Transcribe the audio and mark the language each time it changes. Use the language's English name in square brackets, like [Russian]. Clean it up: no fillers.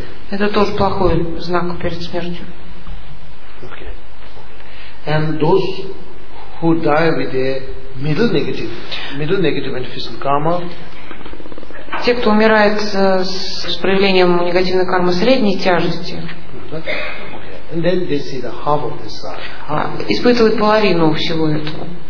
[Russian] Это тоже плохой знак перед смертью. [English] Okay. And those who die with a middle negative manifestation karma. [Russian] Те, кто умирает с проявлением негативной кармы средней тяжести. [English] Okay. And then they see the half of this side. [Russian] Испытывают половину всего этого.